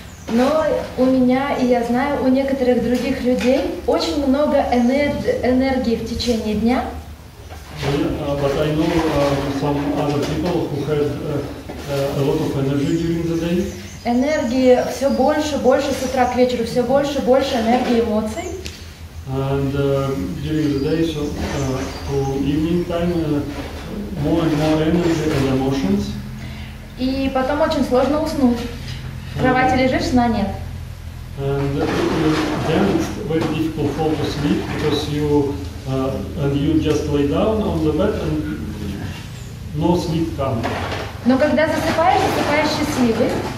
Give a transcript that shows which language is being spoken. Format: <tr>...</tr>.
<ru>Но у меня, и я знаю, у некоторых других людей очень много энергии в течение дня.</ru> <en>But I know some other people who had a lot of energy during the day.</en> <ru>Энергии все больше, больше с утра к вечеру, все больше, больше энергии, эмоций.</ru> <en>And during the day, so to evening time, more and more energy and emotions.</en> <ru>И потом очень сложно уснуть. В кровати лежишь, сна нет.</ru> <en>And then it's very difficult fall to sleep because you and you just lay down on the bed and no sleep comes.</en> <ru>Но когда засыпаешь, засыпаешь счастливый.</ru>